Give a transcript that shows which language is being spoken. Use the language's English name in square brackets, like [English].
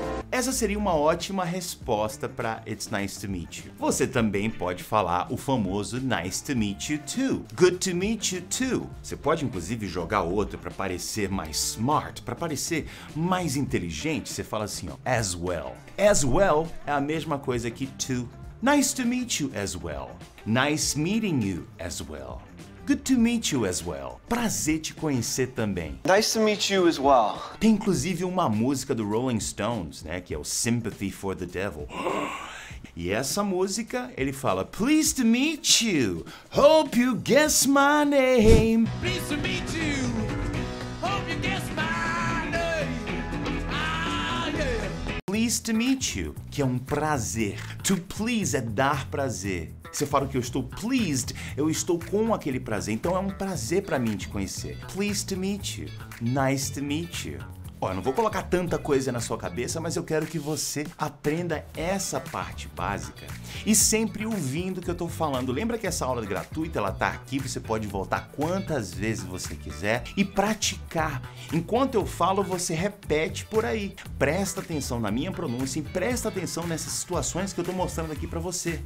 [Portuguese] Essa seria uma ótima resposta para [English] it's nice to meet you. [Portuguese] Você também pode falar o famoso [English] nice to meet you too. Good to meet you too. [Portuguese] Você pode inclusive jogar outro para parecer mais smart, para parecer mais inteligente. Você fala assim, ó, as well. As well é a mesma coisa que to. [English] Nice to meet you as well. [Portuguese] Nice meeting you as well. [English] Good to meet you as well. [Portuguese] Prazer te conhecer também. [English] Nice to meet you as well. [Portuguese] Tem inclusive uma música do Rolling Stones, né, que é o Sympathy for the Devil. E essa música, ele fala, [English] pleased to meet you, hope you guess my name. Pleased to meet you, hope you guess my name. Ah, yeah. Pleased to meet you, [Portuguese] que é um prazer. To please é dar prazer. Se eu falo que eu estou pleased, eu estou com aquele prazer. Então é um prazer pra mim te conhecer. [English] Pleased to meet you, nice to meet you. [Portuguese] Olha, não vou colocar tanta coisa na sua cabeça, mas eu quero que você aprenda essa parte básica e sempre ouvindo o que eu estou falando. Lembra que essa aula é gratuita, ela está aqui, você pode voltar quantas vezes você quiser e praticar. Enquanto eu falo, você repete por aí. Presta atenção na minha pronúncia e presta atenção nessas situações que eu estou mostrando aqui para você.